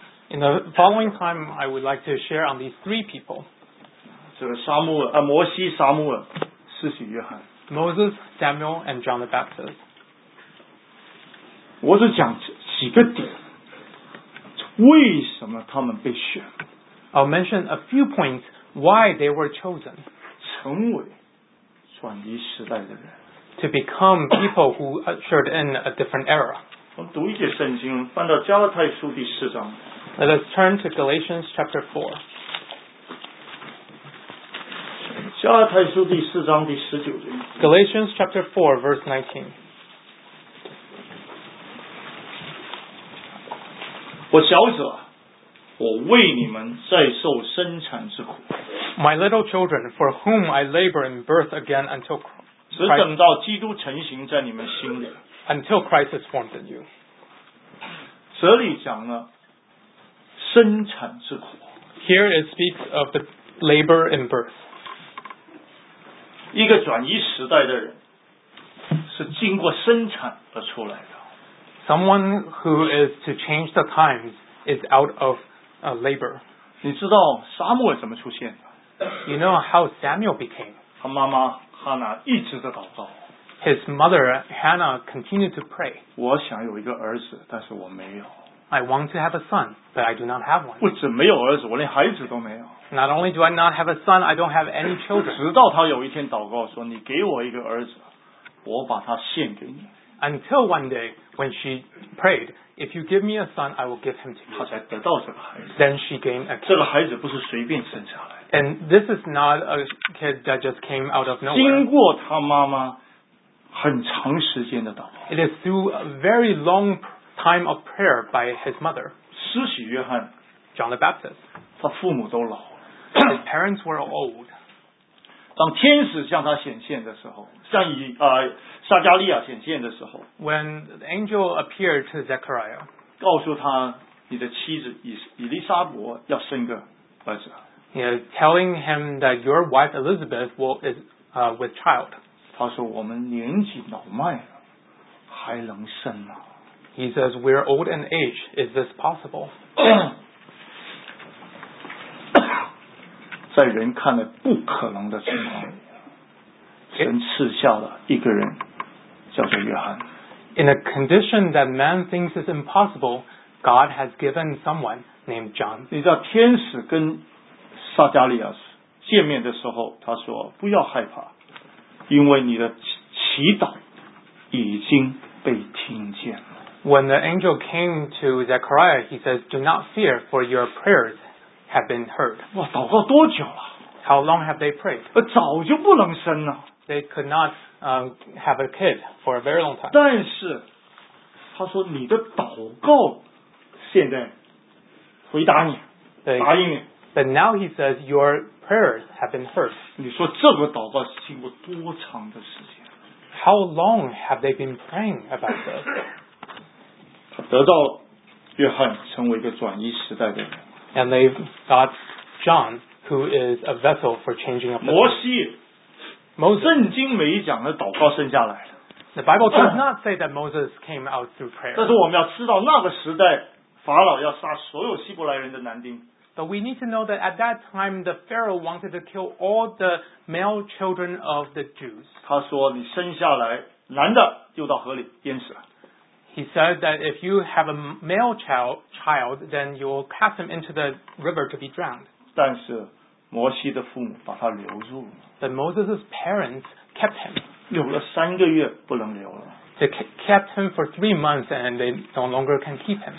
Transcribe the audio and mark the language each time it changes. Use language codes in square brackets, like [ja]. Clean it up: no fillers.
[en] In the following time, I would like to share on these three people. [zh] 这个撒母耳，摩西、撒母耳、施洗约翰。 [en] Moses, Samuel, and John the Baptist. [zh] 我只讲几个点。为什么他们被选？ [en] I'll mention a few points why they were chosen. [zh] 成为转移时代的人。 [en] To become people who ushered in a different era. [zh] 我们读一节圣经，翻到加拉太书第四章。 [en] Let us turn to Galatians chapter 4. [zh] 加拉太书第四章第十九节。 [en] Galatians chapter 4, verse 19. [zh] 我小子，我为你们再受生产之苦。 [en] My little children, for whom I labor in birth again until Christ, [zh] 只等到基督成形在你们心里。 [en] Until Christ is formed in you. [zh] 这里讲了生产之苦。 [en] Here it speaks of the labor in birth. [zh] 一个转移时代的人是经过生产而出来的。 [en] Someone who is to change the times is out of labor. [zh] 你知道撒母耳怎么出现的？ [en] You know how Samuel became. [zh] 他妈妈哈娜一直在祷告。 [en] His mother Hannah continued to pray. [zh] 我想有一个儿子，但是我没有。 [en] I want to have a son, but I do not have one. [zh] 不止没有儿子，我连孩子都没有。 [en] Not only do I not have a son, I don't have any children. [zh] 直到他有一天祷告说：“你给我一个儿子，我把他献给你。” [en] Until one day. When she prayed, if you give me a son, I will give him to you. [zh] 她才得到这个孩子。 [en] Then she gained a kid. [zh] 这个孩子不是随便生下来。 [en] And this is not a kid that just came out of nowhere. [zh] 经过她妈妈很长时间的祷告。 [en] It is through a very long time of prayer by his mother. [zh] 施洗约翰。 [en] John the Baptist. [zh] 他父母都老了。 [en] His parents were old. [zh] 当天使向他显现的时候，向以撒加利亚显现的时候 [en] ，When the angel appeared to Zechariah， [zh] 告诉他你的妻子以利沙伯要生个儿子。 [en] Yeah, telling him that your wife Elizabeth will is with child. [zh] 他说我们年纪老迈还能生吗？ [en] He says we're old in age. Is this possible? [zh] 在人看来不可能的情况，神赐下了一个人叫做约翰。 [en] In a condition that man thinks is impossible, God has given someone named John. [zh] 你知道天使跟撒加利亚见面的时候，他说不要害怕，因为你的祈祷已经被听见了。 [en] When the angel came to Zechariah, he says, do not fear, for your prayers have been heard. [zh] 哇，祷告多久了？ [en] How long have they prayed? [zh] 早就不能生了。 [en] They could not have a kid for a very long time. [zh] 但是他说你的祷告现在回答你，答应你。 [en] But now he says your prayers have been heard. [zh] 你说这个祷告是经过多长的时间？ [en] How long have they been praying about this? [zh] 他得到约翰成为一个转移时代的人。 [en] And they've got John, who is a vessel for changing up the world. [zh] 摩西。圣经没讲的祷告剩下来了。 [en] The Bible does not say that Moses came out through prayer. [zh] 但是我们要知道那个时代法老要杀所有希伯来人的男丁。 [en] But we need to know that at that time the Pharaoh wanted to kill all the male children of the Jews. [zh] 他说你生下来男的丢到河里淹死。 [en] He said that if you have a male child, then you will cast him into the river to be drowned. [zh] 但是摩西的父母把他留住了。 [en] But Moses' parents kept him. [zh] 留了三个月不能留了。 [en] They kept him for 3 months and they no longer can keep him.